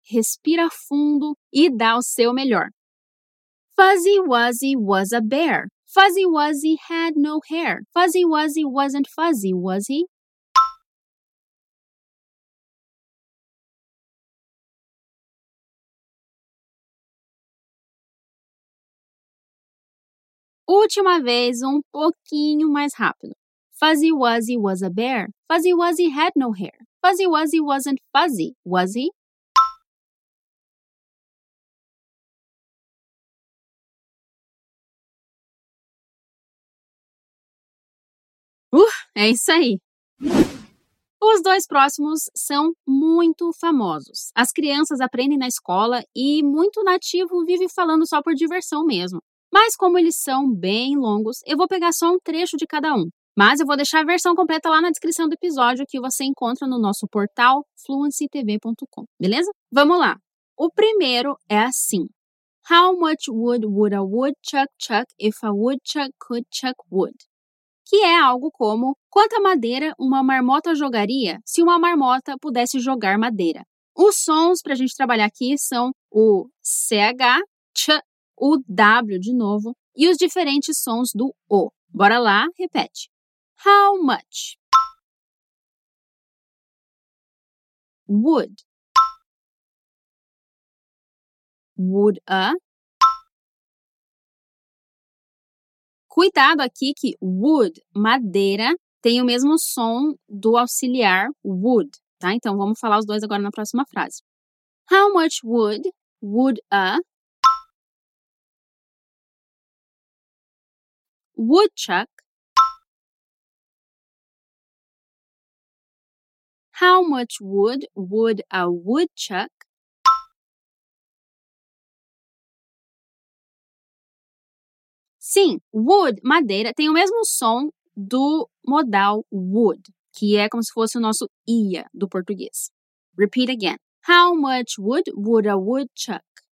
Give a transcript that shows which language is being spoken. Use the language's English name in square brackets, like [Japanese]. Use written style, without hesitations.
[Portuguese] Respira fundo e dá o seu melhor. [English] Fuzzy Wuzzy was a bear. Fuzzy Wuzzy had no hair. Fuzzy Wuzzy wasn't fuzzy, was he? [Portuguese] Última vez, pouquinho mais rápido. [English] Fuzzy Wuzzy was a bear. Fuzzy Wuzzy had no hair. Fuzzy Wuzzy wasn't fuzzy, was he? [Portuguese] É isso aí. Os dois próximos são muito famosos. As crianças aprendem na escola e muito nativo vive falando só por diversão mesmo. Mas como eles são bem longos, eu vou pegar só um trecho de cada um. Mas eu vou deixar a versão completa lá na descrição do episódio que você encontra no nosso portal fluencytv.com, beleza? Vamos lá! O primeiro é assim. [English] How much wood would a woodchuck chuck if a woodchuck could chuck wood? [Portuguese] Que é algo como, quanta madeira uma marmota jogaria se uma marmota pudesse jogar madeira? Os sons para a gente trabalhar aqui são o CH, CH, o W de novo, e os diferentes sons do O. Bora lá, repete. [English] How much? Wood. Would a? [Portuguese] Cuidado aqui que would, madeira, tem o mesmo som do auxiliar would, tá? Então, vamos falar os dois agora na próxima frase. [English] How much wood would a woodchuck? How much wood would a woodchuck? [Portuguese] Sim, wood, madeira, tem o mesmo som do modal would, que é como se fosse o nosso ia do português. [English] Repeat again. How much wood would a woodchuck?